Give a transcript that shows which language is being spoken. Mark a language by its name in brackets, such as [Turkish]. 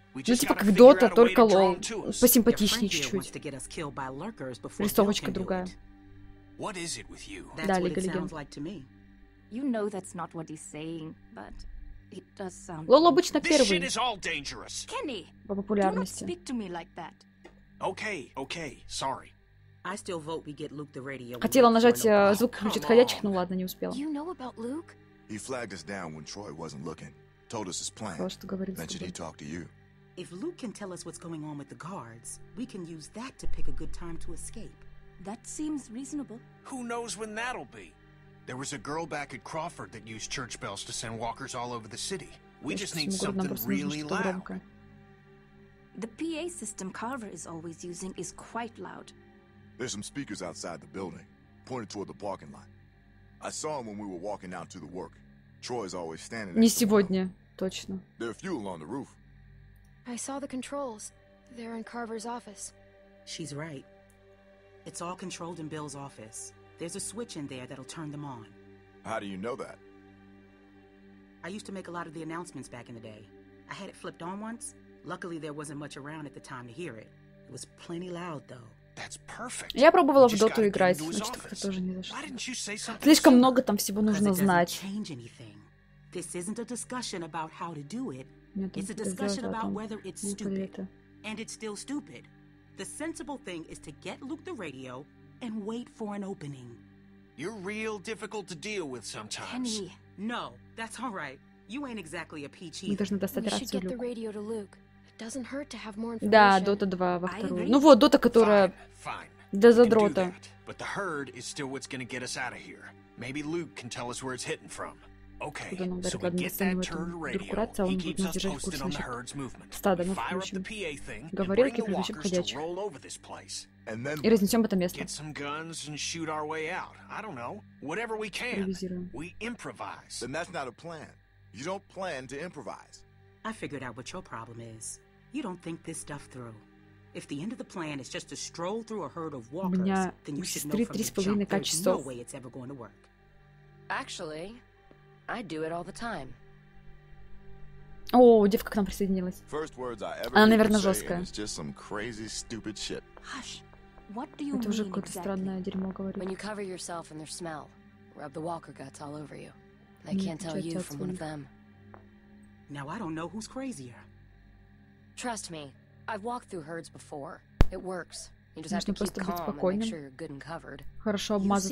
[Russian] Ну, типа, как Дота, только лол. Посимпатичнее чуть-чуть. Листовочка другая. [English] What is it with you? That's what it sounds like to me. You know that's not what he's saying, but it does sound. [Russian] Лол обычно первый. [English] This shit is all dangerous. Kenny, [Russian] по популярности. [English] Don't speak to me like that. Okay, okay, sorry. I still vote we get Luke the radio. [Russian] Хотела нажать звук включить ходячих, но ладно, не успела. [English] You know about Luke? He flagged us down when Troy wasn't looking. Told us his plan. Mentioned he talked to you. If Luke can tell us what's going on with the guards, we can use that to pick a good time to escape. That seems reasonable. Who knows when that'll be? There was a girl back at Crawford that used church bells to send walkers all over the city. We just need something really loud. The PA system Carver is always using is quite loud. There's some speakers outside the building, pointed toward the parking lot. I saw him when we were walking out to the work. Troy's always standing there. [Russian] Не сегодня, точно. [English] There's fuel on the roof. I saw the controls. They're in Carver's office. She's right. It's all controlled in Bill's office. There's a switch in there that'll turn them on. How do you know that? I used to make a lot of the announcements back in the day. I had it flipped on once. Luckily, there wasn't much around at the time to hear it. It was plenty loud, though. That's perfect. [Russian] Я пробовала в Доту играть, но что-то тоже не зашло. Слишком много там всего нужно знать. [English] Change anything. This isn't a discussion about how to do it. It's a discussion about whether it's stupid. And it's still stupid. The sensible thing is to get Luke the radio and wait for an opening. You're real difficult to deal with sometimes. Kenny, no, that's all right. You ain't exactly a peach either. [Russian] Мы должны достать рацию. [English] We should get the radio to Luke. It doesn't hurt to have more information. [Russian] Да, Dota 2 во вторую. Ну вот, Dota, которая до задрота. [English] But the herd is still what's gonna get us out of here. Maybe Luke can tell us where it's hitting from. Okay, so we get that turned radio, he keeps us posted on the herd's movement. We fire up the PA thing and bring the walkers to roll over this place. And then get some guns and shoot our way out. I don't know. Whatever we can, we improvise. Then that's not a plan. You don't plan to improvise. I figured out what your problem is. You don't think this stuff through. If the end of the plan is just to stroll through a herd of walkers, then you should know from the jump there's no way it's ever going to work. Actually, I do it all the time. [Russian] О, девка к нам присоединилась. Она, наверное, жесткая. Это уже какое-то странное дерьмо говорит. [English] When you cover yourself in their smell, rub the walker guts all over you. I can't tell you from one of them. Now I don't know who's crazier. Trust me, I've walked through herds before. It works. You just have to keep calm and make sure you're good and covered. [Russian] Хорошо обмазаться.